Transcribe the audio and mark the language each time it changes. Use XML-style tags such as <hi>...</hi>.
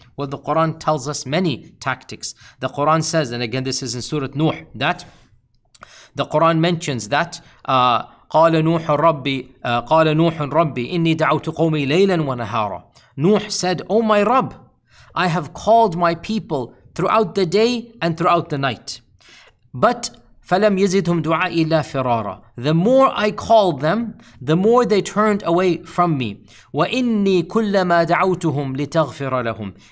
<en>Well, the Quran tells us many tactics. The Quran says, and again this is in Surah Nuh, that the Quran mentions that</en> <ar>قال نوح ربي إني دعوت قومي ليلا ونهارا.</ar> <en>Nuh said, oh my Rabb, I have called my people throughout the day and throughout the night. But</en> <ar>فلم يزدهم دعاء إلا فرارا.</ar> <en>The more I called them, the more they turned away from me.</en> <ar>وإني كلما دعوتهم لتغفر لهم.</ar>